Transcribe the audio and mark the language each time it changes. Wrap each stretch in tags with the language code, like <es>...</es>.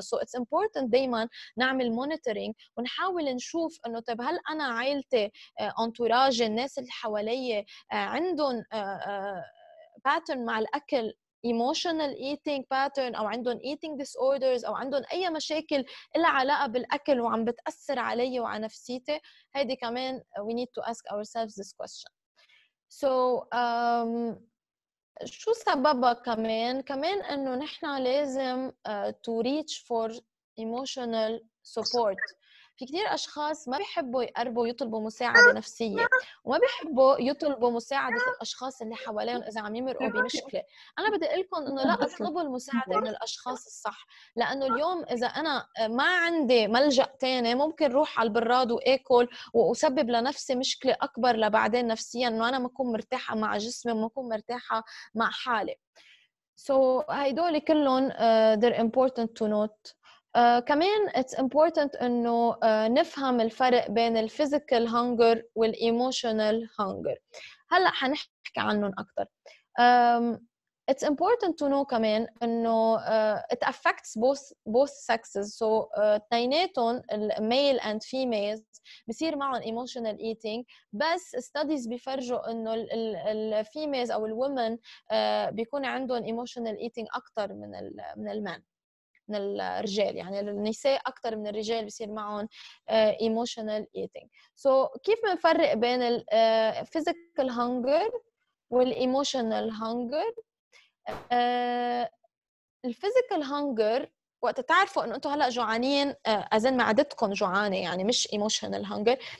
<en>So it's important</en> <ar>دايما نعمل monitoring ونحاول نشوف انه طيب هل انا عائلتي انتوراج الناس اللي حوالي عندهم pattern مع الأكل emotional eating pattern أو عندهم eating disorders أو عندهم أي مشاكل إلا علاقة بالأكل وعم بتأثر علي وعلى نفسيتي. هذه كمان</ar> <en>we need to ask ourselves this question.</en> <ar>So شو سببها كمان؟ كمان أنه نحنا لازم</ar> <en>to reach for emotional support.</en> <ar>في كتير أشخاص ما بيحبوا يقربوا ويطلبوا مساعدة نفسية وما بيحبوا يطلبوا مساعدة الأشخاص اللي حواليهم إذا عم يمرقوا بمشكلة. أنا بدي أقولكم أنه لا أطلبوا المساعدة من الأشخاص الصح. لأنه اليوم إذا أنا ما عندي ملجأ تاني ممكن روح على البراد وأكل وأسبب لنفسي مشكلة أكبر لبعدين نفسيا أنه أنا ما أكون مرتاحة مع جسمي وما أكون مرتاحة مع حالي.</ar> <en>So</en> <ar>هيدول كلهم</ar> <en>they're important to note.</en> <ar>كمان</ar> <en>it's important</en> <ar>انه نفهم الفرق بين الphysical hunger والemotional hunger. هلا حنحكي عنهم اكثر.</ar> <en>It's important to know</en> <ar>كمان انه</ar> <en>it affects both sexes. So</en> <ar>تنيناتهم</ar> <en>male and females</en> <ar>بصير معهم</ar> <en>emotional eating.</en> <ar>بس studies بيفرجوا انه ال females او ال women بيكون عندهم emotional eating اكثر من ال men. من الرجال يعني النساء أكثر من الرجال بيصير معهم emotional eating. So كيف بنفرق بين ال physical hunger وال emotional hunger؟ ال physical hunger وقت تعرفوا إنه أنتوا هلا جوعانين أزن معدتكم جوعانة يعني مش emotional hunger.</ar>